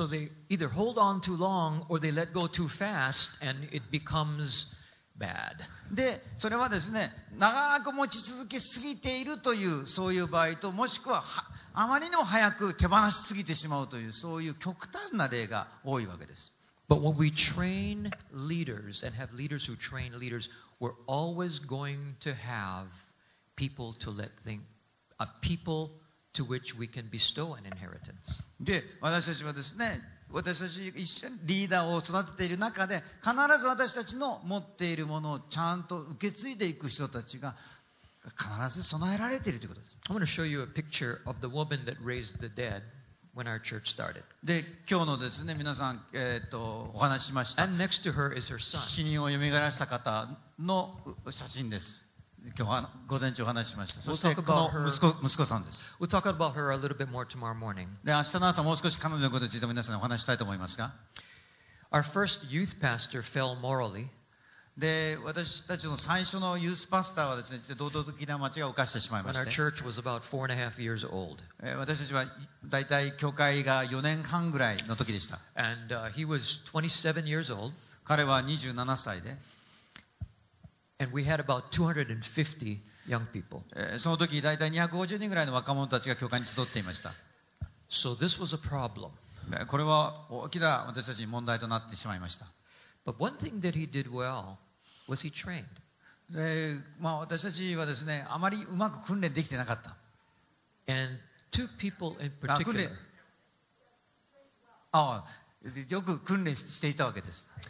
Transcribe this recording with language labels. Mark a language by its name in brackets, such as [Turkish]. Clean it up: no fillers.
[English] So they either hold on too long or they let go too fast and it becomes bad. [Japanese] でそれはですね、長く持ち続けすぎているという、そういう場合と、もしくはあまりにも早く手放しすぎてしまうという、そういう極端な例が多いわけです。 [English] But when we train leaders and have leaders who train leaders, we're always going to have people to let think, a people to which we can bestow an inheritance. [Japanese] で、私たちはですね、私たち一緒にリーダーを育てている中で、必ず私たちの持っているものをちゃんと受け継いでいく人たちが必ず備えられているということです。 [English] I'm going to show you a picture of the woman that raised the dead. When our church started. [Japanese] で今日のですね、皆さん、お話ししました。 [English] And next to her is her son. [Japanese] 死人を蘇らした方の写真です。今日午前中お話ししました。そしてこの息子さんです。 [English] We'll talk about her a little bit more tomorrow morning. [Japanese] で明日の朝もう少し彼女のことについて皆さんにお話したいと思いますが。 [English] Our first youth pastor fell morally. [Japanese] で私たちの最初のユースパスターはですね、道徳的な間違いを犯してしまいまして。 [English] When our church was about four and a half years old. [Japanese] 私たちはだいたい教会が4年半ぐらいの時でした。 [English] And, he was 27 years old. [Japanese] 彼は27歳で。 [English] And we had about 250 young people. [Japanese] その時だいたい250人ぐらいの若者たちが教会に集っていました。 [English] So、this was a problem. [Japanese] これは大きな私たちに問題となってしまいました。 [English] But one thing that he did well was he trained. [Japanese] で、まあ、私たちはですね、あまりうまく訓練できてなかった。 [English] And...Two people in particular. ああ、 [Japanese] よく訓練していたわけです。